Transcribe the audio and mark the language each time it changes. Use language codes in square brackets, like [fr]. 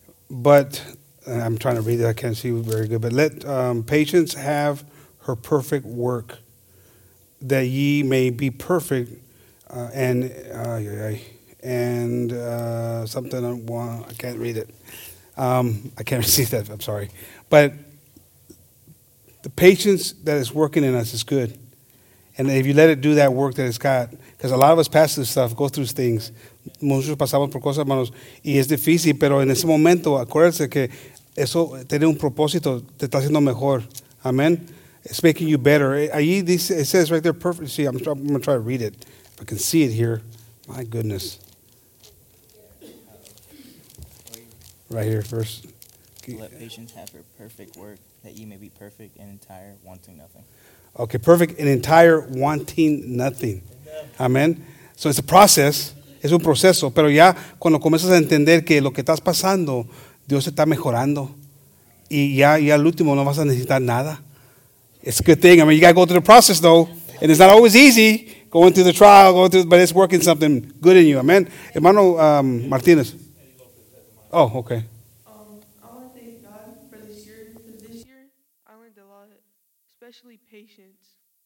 [en] But, I'm trying to read it, I can't see it very good, but let patience have her perfect work, that ye may be perfect I can't read it. I can't see that. I'm sorry. But the patience that is working in us is good. And if you let it do that work that it's got, because a lot of us pass this stuff, go through things. [es] Muchos pasamos por cosas, hermanos, y es difícil, pero en ese momento, acuérdense que eso tiene un propósito, te está haciendo mejor. [en] Amen. It's making you better. It says right there, perfect. See, I'm going to try to read it. If I can see it here. My goodness. Right here, first. Okay. Let patience have her perfect work, that ye may be perfect and entire, wanting nothing. Okay, perfect and entire, wanting nothing. Amen. So it's a process. [es] Es un proceso. Pero ya cuando comienzas a entender que lo que estás pasando, Dios está mejorando. Y ya al último no vas a necesitar nada. [en] It's a good thing. I mean, you got to go through the process, though. And it's not always easy. Going through the trial, but it's working something good in you. Amen. Hermano Martinez. Oh, okay. I want to thank God for this year. This year, I learned a lot, especially patience.